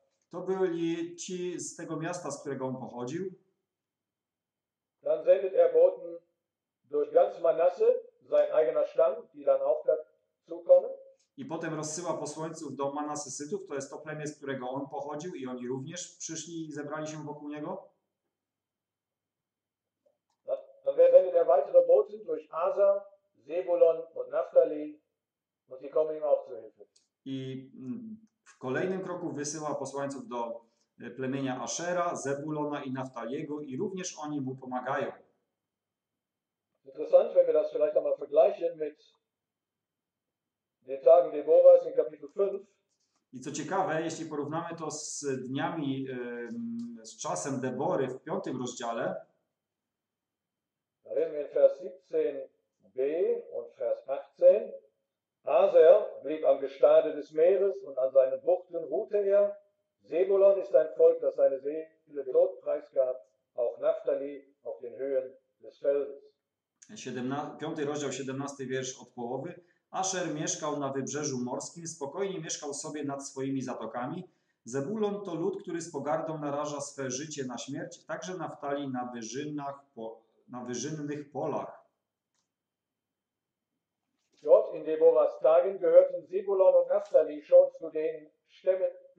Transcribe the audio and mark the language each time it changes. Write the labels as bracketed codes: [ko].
[pl] To byli ci z tego miasta, z którego on pochodził. [de] Dann sendet Boten durch ganz Manasse, sein eigener Stamm, die dann auch dazu kommen. [pl] I potem rozsyła posłańców do Manassesytów, to jest to plemię, z którego on pochodził i oni również przyszli i zebrali się wokół niego. [de] Dann sendet weitere Boten durch Asa, Zebulon und Naphtali und die kommen ihm auch zu Hilfe. [pl] I w kolejnym kroku wysyła posłańców do plemienia Aszera, Zebulona i Naftaliego i również oni mu pomagają. [de] Interessant, wenn wir das vielleicht einmal vergleichen mit den Tagen Deborahs in Kapitel 5. [pl] I co ciekawe, jeśli porównamy to z dniami, z czasem Debory w 5 rozdziale, [de] da lesen wir in Vers 17b und Vers 18. Aser blieb am Gestade des Meeres und an seinen Buchten ruhte er. Zebulon ist ein Volk, das seine Seele tot preisgab, auch Naphtali auf den Höhen des Feldes. [pl] 5 rozdział, 17 wiersz od połowy. Aszer mieszkał na wybrzeżu morskim, spokojnie mieszkał sobie nad swoimi zatokami. Zebulon to lud, który z pogardą naraża swe życie na śmierć, także Naphtali na wyżynach, na wyżynnych polach. [de] Dort in Deborahs Tagen gehörten Zebulon und Naphtali schon zu den Stämmen,